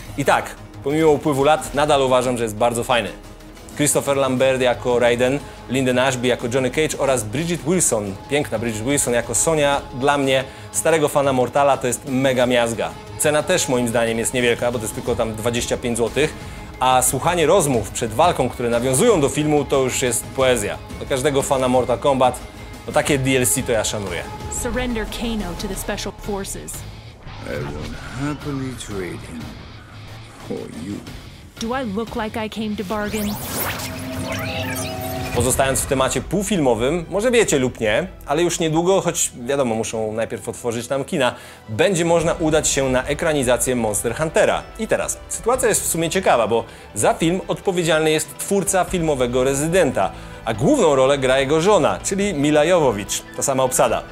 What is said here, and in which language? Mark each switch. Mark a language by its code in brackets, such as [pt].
[pl] I tak, pomimo upływu lat, nadal uważam, że jest bardzo fajny. Christopher Lambert jako Raiden, Lyndon Ashby jako Johnny Cage oraz Bridget Wilson, piękna Bridget Wilson jako Sonia, dla mnie, starego fana Mortala, to jest mega miazga. Cena też moim zdaniem jest niewielka, bo to jest tylko tam 25 zł. A słuchanie rozmów przed walką, które nawiązują do filmu, to już jest poezja. Do każdego fana Mortal Kombat, no takie DLC to ja szanuję. [en] Surrender Kano to the special forces. I will happily trade him for you. Do I look like I came to bargain? [pl] Pozostając w temacie półfilmowym, może wiecie lub nie, ale już niedługo, choć wiadomo, muszą najpierw otworzyć tam kina, będzie można udać się na ekranizację Monster Huntera. I teraz, sytuacja jest w sumie ciekawa, bo za film odpowiedzialny jest twórca filmowego Rezydenta, a główną rolę gra jego żona, czyli Mila Jovovich, ta sama obsada.